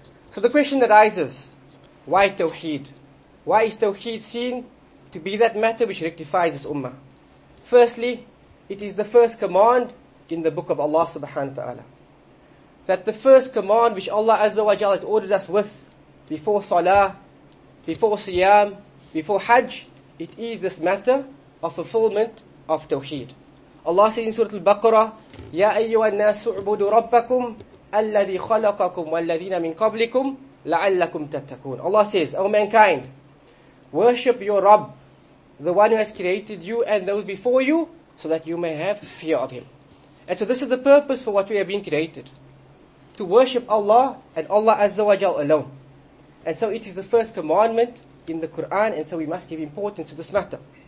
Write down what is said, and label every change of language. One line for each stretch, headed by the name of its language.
English: So the question arises, why tawheed? Why is tawheed seen to be that matter which rectifies this ummah? Firstly, it is the first command in the book of Allah subhanahu wa ta'ala. That the first command which Allah Azza wa Jalla has ordered us with before Salah, before Siyam, before Hajj, it is this matter of fulfillment of Tawheed.
Arabic: Allah says in Surah Al-Baqarah, يَا أَيُّوَا النَّاسُ اُعْبُدُوا رَبَّكُمْ الَّذِي خَلَقَكُمْ وَالَّذِينَ مِنْ قَبْلِكُمْ لَعَلَّكُمْ تَتَّكُونَ.
English: Allah says, O mankind, worship your Rabb, the one who has created you and those before you, so that you may have fear of Him. And so this is the purpose for what we have been created. To worship Allah and Allah Azza wa Jal alone. And so it is the first commandment in the Quran, and so we must give importance to this matter.